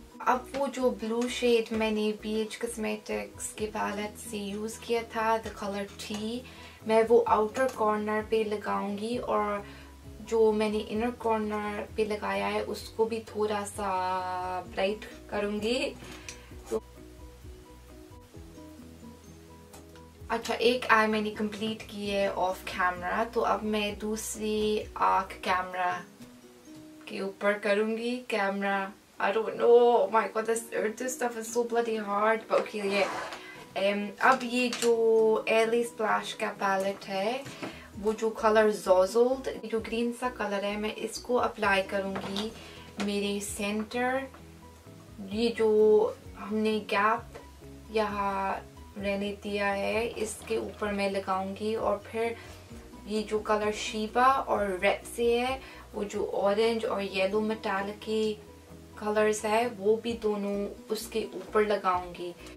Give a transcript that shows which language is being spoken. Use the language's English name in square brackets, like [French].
[Hindi] अब वो जो ब्लू शेड मैंने BH Cosmetics के पैलेट से यूज किया था, [English] the color T, [Hindi] मैं वो आउटर कॉर्नर पे लगाऊंगी और जो मैंने इनर कॉर्नर पे लगाया है उसको भी थोड़ा सा ब्राइट करूंगी। अच्छा, एक आई मैंने कंप्लीट की है ऑफ कैमरा, तो अब मैं दूसरी आंख कैमरा के ऊपर करूंगी। [English] Camera, I don't know. Oh my god, this Urdu stuff is so bloody hard. But okay, yeah. [Hindi] अब ये जो Ellie Splash का palette है, वो जो color Zozzled, जो green सा color है, मैं इसको apply करूँगी मेरे center. ये जो हमने gap यहाँ रहने दिया है, इसके ऊपर मैं लगाऊँगी और फिर ये जो color Sheba और Repsy है, वो जो orange और yellow metallic की कलर्स है, वो भी दोनों उसके ऊपर लगाऊंगी।